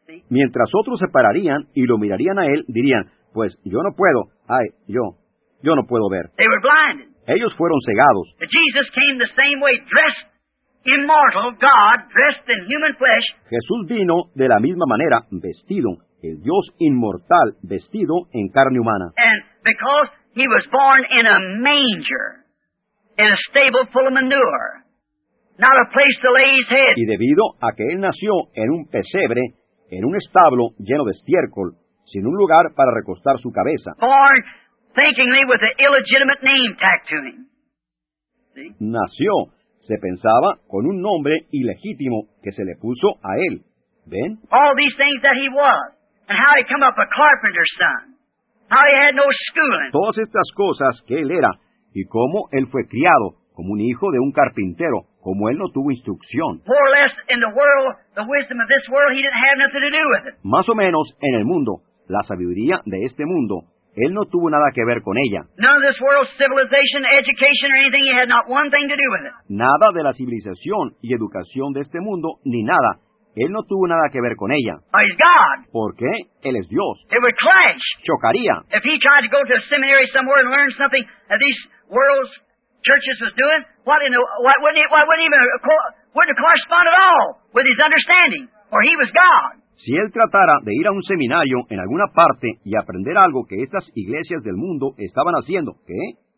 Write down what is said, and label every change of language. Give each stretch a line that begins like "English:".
Spanish: Mientras otros se pararían y lo mirarían a él, dirían, pues yo no puedo, ay, yo no puedo ver.
English: They were blinded.
Spanish: Ellos fueron cegados.
English: Jesus came the same way, dressed immortal God, dressed in human flesh.
Spanish: Jesús vino de la misma manera, vestido, el Dios inmortal, vestido en carne humana.
English: And because he was born in a manger, in a stable full of manure, not a place to lay his head.
Spanish: Y debido a que él nació en un pesebre, en un establo lleno de estiércol, sin un lugar para recostar su cabeza.
English: Born thinkingly with an illegitimate name tacked to him. See?
Spanish: Nació, se pensaba, con un nombre ilegítimo que se le puso a él. ¿Ven?
English: All these things that he was, and how he come up a carpenter's son. How he had no schooling.
Spanish: Todas estas cosas que él era, y cómo él fue criado, como un hijo de un carpintero, como él no tuvo instrucción.
English: More or less in the world, the wisdom of this world, he didn't have nothing to do with it.
Spanish: Más o menos en el mundo, la sabiduría de este mundo, él no tuvo nada que ver con ella.
English: None of this world's civilization, education, or anything, he had not one thing to do with it.
Spanish: Nada de la civilización y educación de este mundo, ni nada. Él no tuvo nada que ver con ella.
English: He's God.
Spanish: ¿Por qué? Él es Dios.
English: It would clash.
Spanish: Chocaría.
English: If he tried to go to a seminary somewhere and learn something that these world's churches was doing, why wouldn't it correspond at all with his understanding? For he was God.
Spanish: Si él tratara de ir a un seminario en alguna parte y aprender algo que estas iglesias del mundo estaban haciendo, ¿qué?